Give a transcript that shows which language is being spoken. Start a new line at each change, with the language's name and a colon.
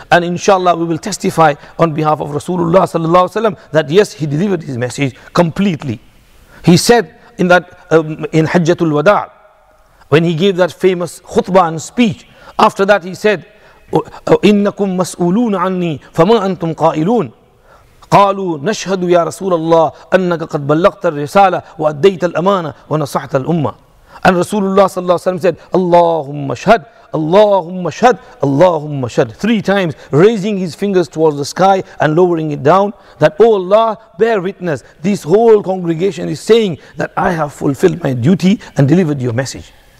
English: And inshallah we will testify on behalf of Rasulullah sallallahu alayhi wasallam that yes, he delivered his message completely. He said in that in Hajjatul Wada', when he gave that famous khutbah and speech, after that he said,
Arabic: إنكم مسؤولون عني فما أنتم قائلون. قالوا نشهد يا رسول الله أنك قد بلغت الرسالة وأديت الأمانة ونصحت الأمة.
English: And Rasulullah صلى الله عليه وسلم said,
Arabic: اللهم اشهد اللهم اشهد اللهم اشهد,
English: three times, raising his fingers towards the sky and lowering it down, that oh Allah, bear witness, this whole congregation is saying that I have fulfilled my duty and delivered your message.